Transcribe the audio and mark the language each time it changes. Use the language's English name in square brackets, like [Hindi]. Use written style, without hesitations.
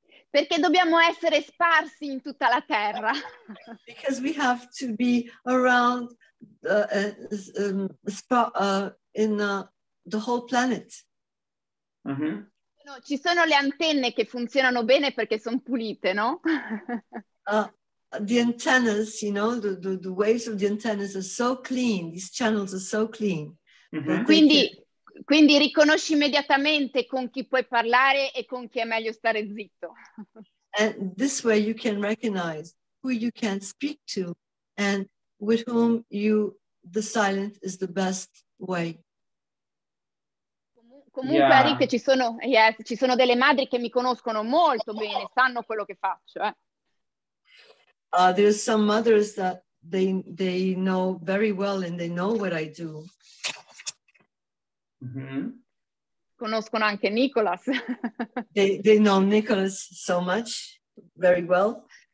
[Italian] Perché dobbiamo essere sparsi in tutta la terra. [English] Because we have to be around the whole planet. Mm-hmm. [Italian] No, ci sono le antenne che funzionano bene perché sono pulite, no? [English] The antennas, you know, the waves of the antennas are so clean. These channels are so clean. Mm-hmm. [Italian] Quindi riconosci immediatamente con chi puoi parlare e con chi è meglio stare zitto. [English] And this way you can recognize who you can speak to and with whom you, the silent is the best way. [Italian] Comunque, Arik, yeah. ci sono delle madri che mi conoscono molto bene, sanno quello che faccio. [English] There are some mothers that they know very well and they know what I do. [Italian] Mm-hmm. Conoscono anche Nicholas. [English] they know Nicholas so much, very well.